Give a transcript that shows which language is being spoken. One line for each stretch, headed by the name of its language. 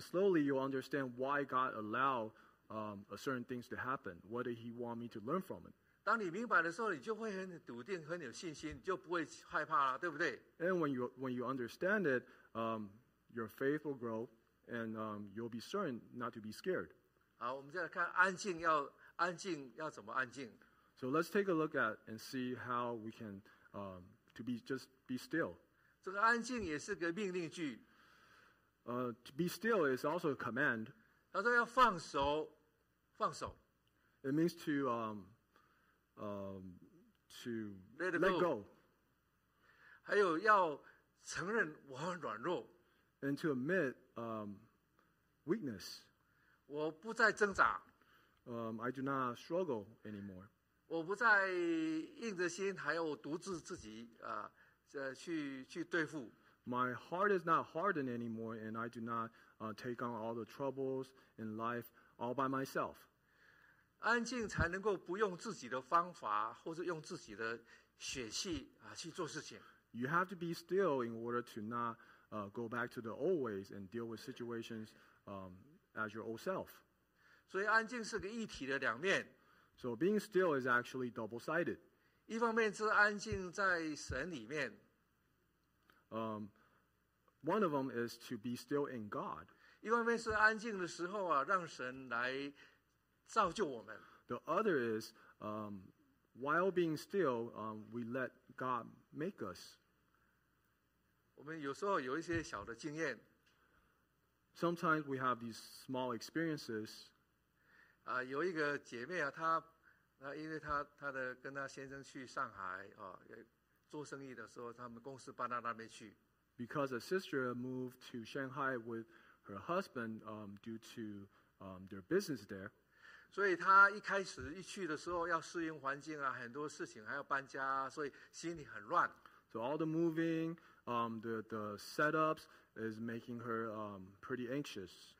English: slowly you understand why God allow certain things to happen. What did He want me to learn from it?
Chinese: 当你明白的时候，你就会很笃定、很有信心，你就不会害怕了，对不对？
English: And when you understand it, your faith will grow, and you'll be certain not to be scared.
Chinese: 好，我们再来看安静要怎么安静。
English: So let's take a look at and see how we can. To be still.
Chinese: 这个安静也是个命令句。
English: To be still is also a command.
Chinese: 他说要放手，放手。
English: It means to to let go.
Chinese: 还有要承认我很软弱。
English: And to admit weakness.
Chinese: 我不再挣扎。
English: I do not struggle anymore.
Chinese: 我不再硬着心还要独自自己去对付。
English: My heart is not hardened anymore, and I do not take on all the troubles in life all by myself.
Chinese: 安静才能够不用自己的方法或者用自己的血气去做事情。
English: You have to be still in order to not go back to the old ways and deal with situations as your old self.
Chinese: 所以安静是个一体的两面。
English: So being still is actually double-sided.
Chinese: 一方面是安静在神里面。
English: One of them is to be still in God.
Chinese: 一方面是安静的时候啊，让神来造就我们。
English: The other is, while being still, we let God make us.
Chinese: 我们有时候有一些小的经验。
English: Sometimes we have these small experiences.
Chinese: 有一个姐妹啊，她因为她的跟她先生去上海啊。做生意的时候，他们公司搬到那边去。
English: Because a sister moved to Shanghai with her husband, due to their business there.
Chinese: 所以她一开始一去的时候，要适应环境啊，很多事情还要搬家，所以心里很乱。
English: So all the moving, the setups is making her pretty anxious.